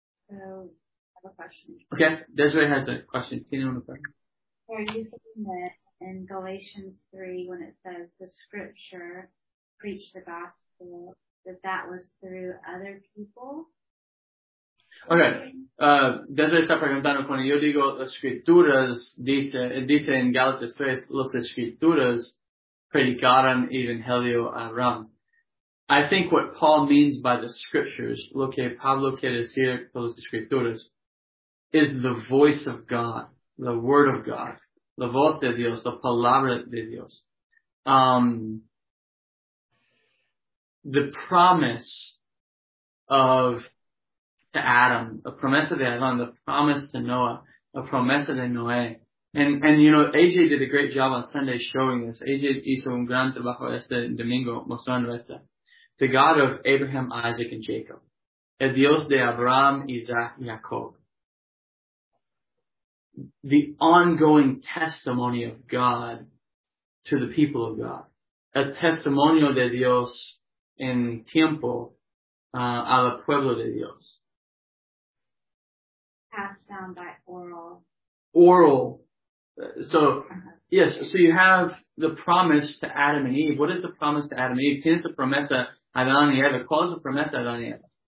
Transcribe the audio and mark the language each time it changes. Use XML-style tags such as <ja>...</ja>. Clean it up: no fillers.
<en>So, I have a question. Okay, Desiree has a question.</en> <es>Tiene una pregunta.</es> <en>Are you saying that in Galatians 3, when it says the Scripture preached the gospel, that that was through other people?</en> <es>Okay, Desiree está preguntando cuando yo digo las escrituras, dice en Gálatas 3, las escrituras predicaron evangelio a Ram.</es> <en>I think what Paul means by the scriptures,</en> <es>lo que Pablo quiere decir por las escrituras,</es> <en>is the voice of God, the word of God,</en> <es>la voz de Dios,</es> <en>la palabra de Dios. The promise of to Adam,</en> <es>a promesa de Adam,</es> <en>the promise to Noah,</en> <es>a promesa de Noé.</es> <en>And you know, AJ did a great job on Sunday showing this.</en> <es>AJ hizo un gran trabajo este domingo mostrando esto.</es> <en>The God of Abraham, Isaac, and Jacob.</en> <es>El Dios de Abraham, Isaac, y Jacob.</es> <en>The ongoing testimony of God to the people of God.</en> <es>A testimonio de Dios en tiempo a la pueblo de Dios.</es> <en>Passed down by oral. Oral. So, yes, so you have the promise to Adam and Eve. What is the promise to Adam and Eve?</en> <es>¿Quién es la promesa a Adán y Eva? ¿Cuál es la promesa a Adán y Eva?</es>